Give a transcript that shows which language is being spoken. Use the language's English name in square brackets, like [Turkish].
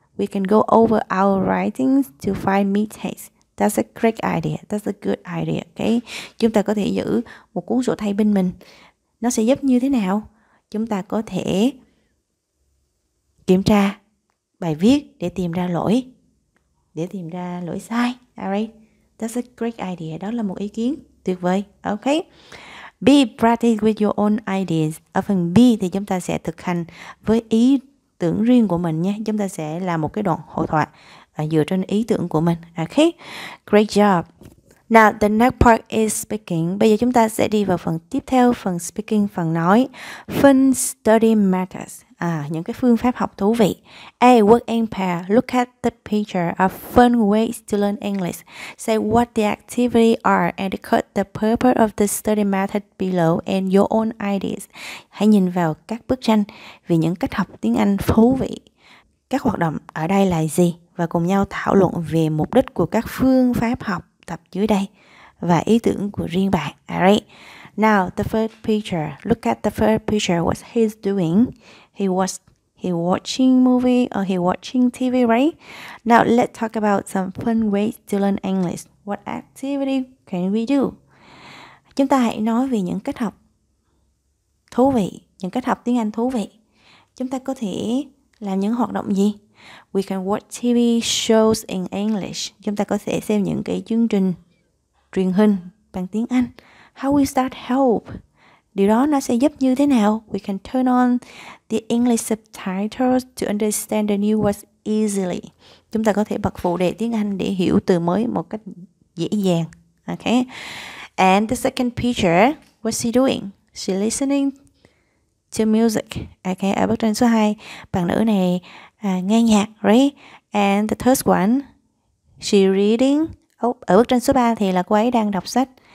[English] We can go over our writings to find mistakes. That's a great idea. That's a good idea. Okay? [Vietnamese] Chúng ta có thể giữ một cuốn sổ tay bên mình. Nó sẽ giúp như thế nào? Chúng ta có thể kiểm tra bài viết để tìm ra lỗi. Để tìm ra lỗi sai. [English] Alright? That's a great idea. [Vietnamese] Đó là một ý kiến tuyệt vời. [English] Okay? B. Practice with your own ideas. [Vietnamese] Ở phần B thì chúng ta sẽ thực hành với ý tưởng riêng của mình nhé. Chúng ta sẽ làm một cái đoạn hội thoại dựa trên ý tưởng của mình. [English] Okay, great job. Now the next part is speaking. [Vietnamese] Bây giờ chúng ta sẽ đi vào phần tiếp theo, phần speaking, phần nói. [English] Fun study methods. [Vietnamese] Những cái phương pháp học thú vị. [English] A. Work in pair. Look at the picture. A fun way to learn English. Say what the activity are and cut the purpose of the study method below and your own ideas. [Vietnamese] Hãy nhìn vào các bức tranh vì những cách học tiếng Anh thú vị. Các hoạt động ở đây là gì? Và cùng nhau thảo luận về mục đích của các phương pháp học tập dưới đây và ý tưởng của riêng bạn. [English] Alright. Now, the first picture. Look at the first picture. What he's doing? He watching movie or he watching TV, right? Now, let's talk about some fun ways to learn English. What activity can we do? [Vietnamese] Chúng ta hãy nói về những cách học thú vị, những cách học tiếng Anh thú vị. Chúng ta có thể làm những hoạt động gì? [English] We can watch TV shows in English. [Vietnamese] Chúng ta có thể xem những cái chương trình truyền hình bằng tiếng Anh. [English] How will that help? [Vietnamese] Điều đó nó sẽ giúp như thế nào? [English] We can turn on the English subtitles to understand the new words easily. [Vietnamese] Chúng ta có thể bật phụ đề tiếng Anh để hiểu từ mới một cách dễ dàng. [English] Okay. And the second picture, what's she doing? She listening to music. Okay. [Vietnamese] Ở bức tranh số 2, bạn nữ này nghe nhạc, right? [English] And the third one, she reading. [Vietnamese] Ở bức tranh số 3 thì là cô ấy đang đọc sách.